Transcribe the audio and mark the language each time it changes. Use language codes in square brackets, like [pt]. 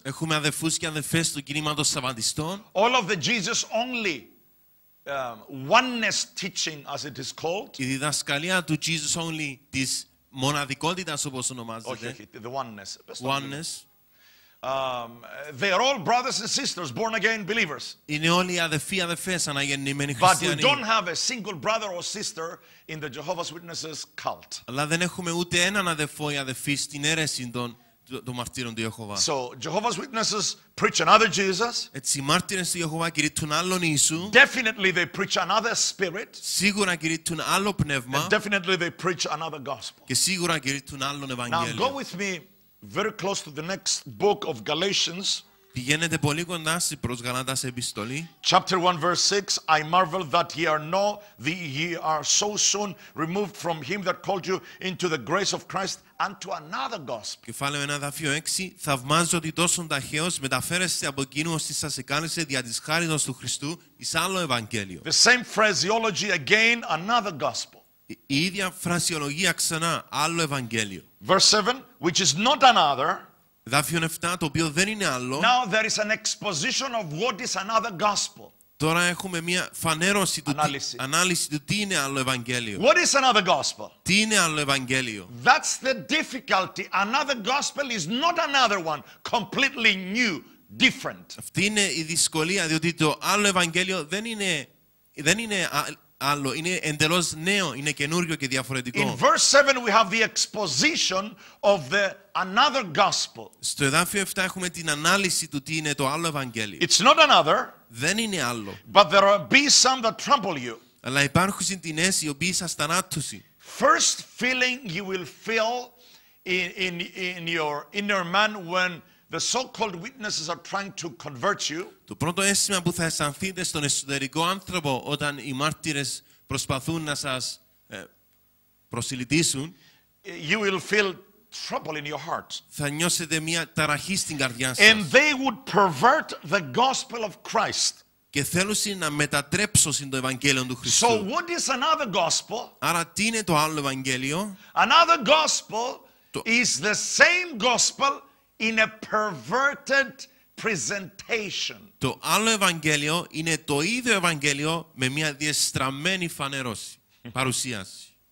[el] Έχουμε αδερφούς και αδερφές του κινήματος Σαββατιστών. [en] All of the Jesus only oneness teaching, as it is called. [el] Η διδασκαλία του [en] Jesus only, [el] της μοναδικότητας όπως ονομάζεται. Όχι, [en] the oneness. Oneness. They're all brothers and sisters, born again believers. [el] Είναι όλοι αδελφοί, αδελφές, αναγεννημένοι χριστιανοί. [en] But you don't have a single brother or sister in the Jehovah's Witnesses cult. [el] Αλλά δεν έχουμε ούτε έναν αδελφό ή αδελφή στην αίρεση των μαρτύρων του Ιεχωβά. [en] So Jehovah's Witnesses preach another Jesus. [el] Έτσι, οι μάρτυρες του Ιεχωβά κηρύττουν άλλον Ιησού. [en] Definitely they preach another spirit. [el] Σίγουρα κηρύττουν άλλο πνεύμα. [en] And definitely they preach another gospel. [el] Και σίγουρα κηρύττουν άλλον Ευαγγέλιο. [en] Now go with me very close to the next book of Galatians. [el] Πηγαίνετε πολύ κοντά στη προς Γαλάτας επιστολή. [en] Chapter 1 verse 6, I marvel that ye are not, ye are so soon removed from him that called you into the grace of Christ unto another gospel. [el] Κεφάλαιο 1, εδάφιο 6, θαυμάζω ότι τόσον ταχαίως μεταφέρεστε από εκείνου ως τι σας εκάλεσε δια της χάριτος του Χριστού εις άλλο Ευαγγέλιο. [en] The same phraseology again, another gospel. [el] Η ίδια φρασιολογία ξανά, άλλο Ευαγγέλιο. [en] Verse 7, which is not another. [el] Εδάφιο 7, το οποίο δεν είναι άλλο. [en] Now there is an exposition of what is another gospel. [el] Τώρα έχουμε μια φανέρωση του ανάλυση του τι είναι άλλο Ευαγγέλιο. [en] What is another gospel? [el] Τι είναι άλλο Ευαγγέλιο. [en] That's the difficulty. Another gospel is not another one, completely new, different. [el] Αυτή είναι η δυσκολία, διότι το άλλο Ευαγγέλιο δεν είναι άλλο, είναι εντελώς νέο, είναι καινούριο και διαφορετικό. [en] In verse 7 we have the exposition of the another gospel. [el] Στο εδάφιο 7 έχουμε την ανάλυση του τι είναι το άλλο Ευαγγέλιο. [en] It's not another. [el] Δεν είναι άλλο. [en] But there are be some that trample you. [el] Αλλά υπάρχουν συντηνές οι οποίοι σας θανάτουσαν. [en] First feeling you will feel in your inner man when the so-called witnesses are trying to convert you. [el] Το πρώτο αίσθημα που θα αισθανθείτε στον εσωτερικό άνθρωπο όταν οι μάρτυρες προσπαθούν να σας προσιλητήσουν. [en] You will feel trouble in your heart. [el] Θα νιώσετε μια ταραχή στην καρδιά σας. [en] And they would pervert the gospel of Christ. [el] Και θέλουν να μετατρέψουν το Ευαγγέλιο του Χριστού. [en] So what is another gospel? [el] Άρα τι είναι το άλλο Ευαγγέλιο? [en] Another gospel is the same gospel in a perverted presentation. [el] Το άλλο Ευαγγέλιο είναι το ίδιο Ευαγγέλιο με μια διεστραμμένη φανέρωση, παρουσίαση.